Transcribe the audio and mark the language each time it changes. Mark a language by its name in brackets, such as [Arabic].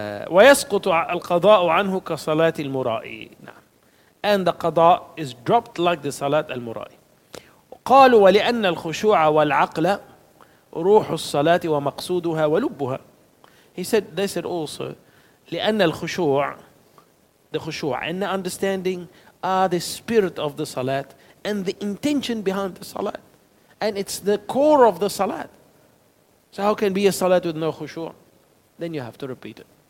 [Arabic] ويسقط القضاء عنه كصلاة المرائي. نعم. [English] And the قضاء is dropped like the [Arabic] صلاة المرائي. قالوا ولأن الخشوع والعقل روح الصلاة ومقصودها ولبها. [English] He said, they said also, [Arabic] لأن الخشوع, [English] the خشوع, and the understanding are the spirit of the صلاة and the intention behind the صلاة. And it's the core of the salat. So how can be a salat with no khushu'? Then you have to repeat it.